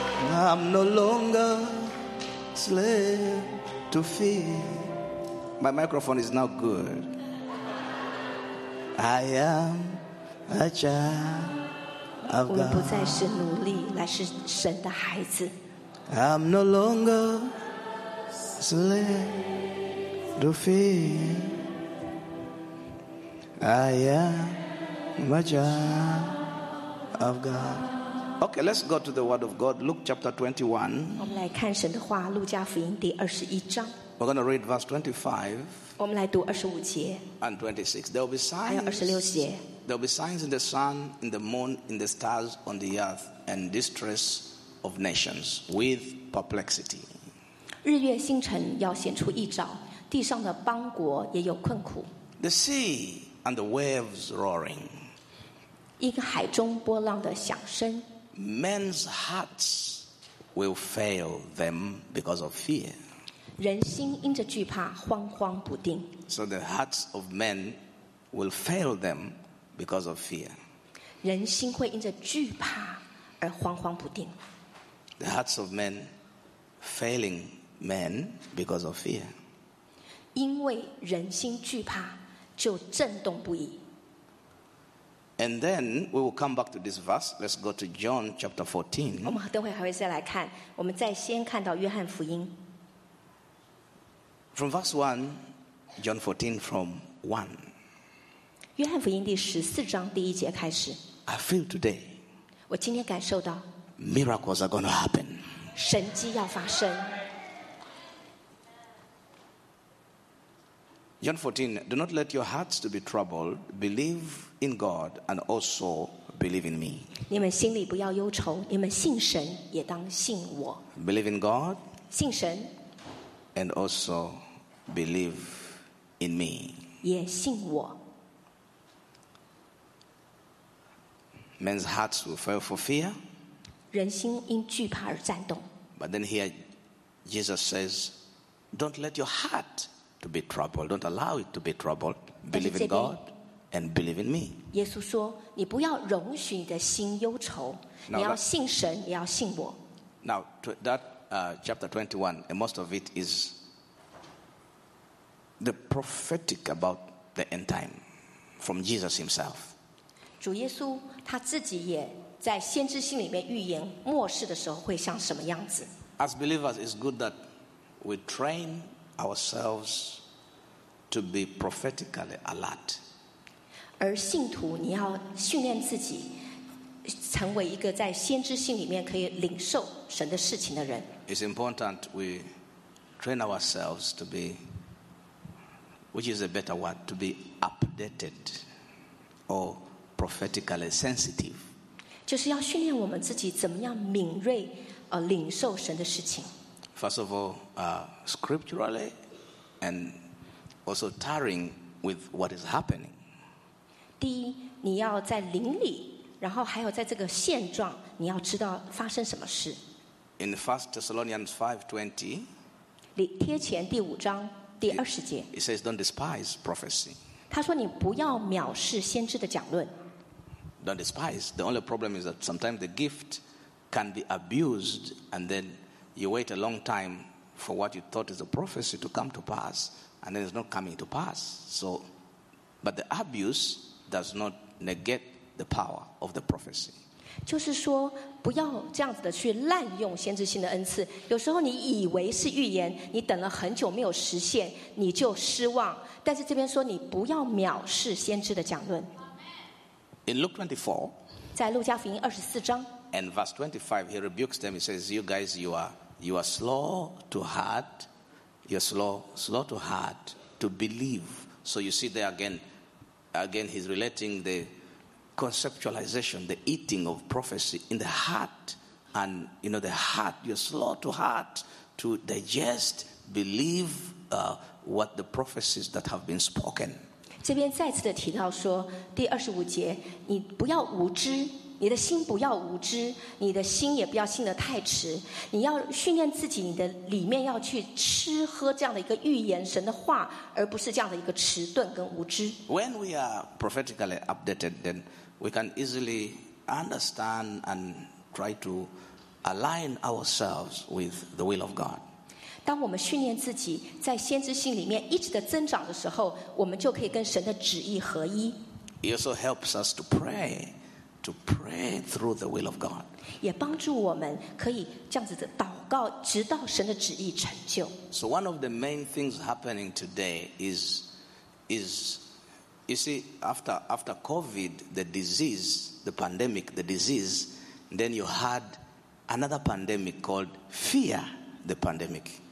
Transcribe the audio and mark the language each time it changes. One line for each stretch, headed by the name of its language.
English: I'm no longer slave to fear My microphone is now goodI am a child of God.
Chinese: 我们不再是奴隶，乃是神的孩子。
English: I'm no longer slave to fear. I am a child of God. Okay, let's go to the Word of God, Luke chapter 21.
Chinese: 我们来看神的话，路加福音第二十一章。
English: We're going to read verse 25.
Chinese: 我们来读二十五节
English: and 26 there will be signs
Chinese: 还有二十六节
English: there will be signs in the sun in the moon in the stars on the earth and distress of nations with perplexity
Chinese: 日月星辰要显出异兆地上的邦国也有困苦
English: the sea and the waves roaring
Chinese: 一个海中波浪的响声
English: men's hearts will fail them because of fear
Chinese: 人心因着惧怕慌慌不定
English: So the hearts of men will fail them because of fear
Chinese: 人心会因着惧怕而慌慌不定
English: The hearts of men failing men because of fear
Chinese: 因为人心惧怕就震动不已
English: And then we will come back to this verse Let's go to John chapter 14
Chinese: 我们等会还会再来看我们再先看到约翰福音
English: From verse 1, John 14, from 1.
Chinese: 约翰福音第十四章第一节开始
English: I feel today.
Chinese: 我今天感受到
English: Miracles are going to happen.
Chinese: 神迹要发生
English: John 14, do not let your hearts to be troubled. Believe in God and also believe in me.
Chinese: 你们心里不要忧愁，你们信神也当信我
English: Believe in God.
Chinese: 信神
English: And also Believe in me.
Chinese: 也信我
English: Men's hearts will fail for fear.
Chinese: 人心因惧怕而颤动
English: But then here, Jesus says, "Don't let your heart to be troubled. Don't allow it to be troubled. Believe in God and believe in me."
Chinese: 耶稣说，你不要容许你的心忧愁，你要信神，也要信我
English: Now that chapter 21, and most of it is. the prophetic about the end time from Jesus himself.
Chinese: 主耶稣他自己也在先知性里面预言末世的时候会像什么样子。
English: As believers, it's good that we train ourselves to be prophetically alert.
Chinese: 而信徒你要训练自己成为一个在先知性里面可以领受神的事情的人。
English: It's important we train ourselves to be, which is a better word, to be updated or prophetically sensitive.
Chinese: 就是要训练我们自己怎么样敏锐领受神的事情。
English: First of all, scripturally and also tarrying with what is happening.
Chinese: 第一，你要在灵里，然后还有在这个现状，你要知道发生什么事。
English: In 1 Thessalonians 5:20,
Chinese: 里帖前第五章第二十节
English: ，It says, "Don't despise prophecy."
Chinese: 他说你不要藐视先知的讲论。
English: Don't despise. The only problem is that sometimes the gift can be abused, and then you wait a long time for what you thought is a prophecy to come to pass, and then it's not coming to pass. So, but the abuse does not negate the power of the prophecy.
Chinese: 就是说，不要这样子的去滥用先知性的恩赐。有时候你以为是预言，你等了很久没有实现，你就失望。但是这边说，你不要藐视先知的讲论。
English: In Luke 24,
Chinese: 在路加福音二十四章
English: and verse 25, he rebukes them. He says, "You guys, you are slow to heart. You're slow to heart to believe." So you see there again, he's relating the conceptualization, the eating of prophecy in the heart, and you know the heart. You're slow to heart to digest, believe what the prophecies that have been spoken.
Chinese: 这边再次的提到说，第二十五节，你不要无知，你的心不要无知，你的心也不要信得太迟。你要训练自己，你的里面要去吃喝这样的一个预言神的话，而不是这样的一个迟钝跟无知。
English: When we are prophetically updated, then we can easily understand and try to align ourselves with the will of God.
Chinese: 当我们训练自己在先知性里面一直的增长的时候，我们就可以跟神的旨意合一。
English: It also helps us to pray through the will of God.
Chinese: 也帮助我们可以这样子的祷告，直到神的旨意成就。
English: So one of the main things happening today is, you see, after COVID, the disease, the pandemic, the disease, then you had another pandemic called fear, the pandemic.